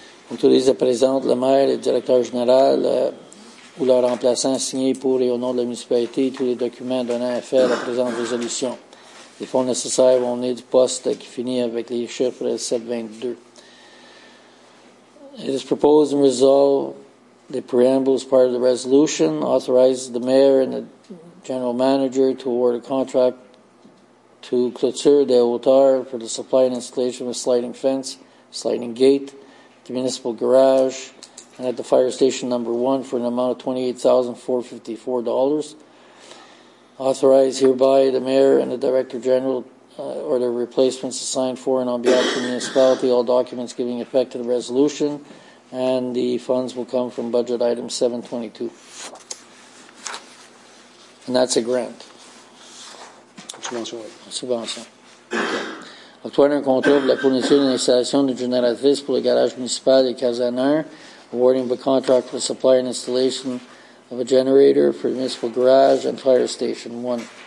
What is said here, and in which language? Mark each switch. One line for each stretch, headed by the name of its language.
French: Autorise et présente le maire, le directeur général ou leur remplaçant signé pour et au nom de la municipalité tous les documents donnant effet à la présente résolution. Les fonds nécessaires vont venir du poste qui finit avec les chiffres 722.
English: It is proposed and resolved the preamble is part of the resolution, authorizes the mayor and the general manager to award a contract to Clôture des Hauteurs for the supply and installation of a sliding fence, sliding gate, the municipal garage, and at the fire station number 1 for an amount of $28,454. Authorize hereby the mayor and the director general or their replacements to sign for and on behalf of the municipality all documents giving effect to the resolution, and the funds will come from budget item 722. And that's a grant.
French: Subvention. Subvention. Okay. Octroyer un contrat pour la fourniture d'une installation de génératrice pour le garage municipal de Cazeneuve.
English: Awarding the contract for supply and installation of a generator for the municipal garage and fire station 1.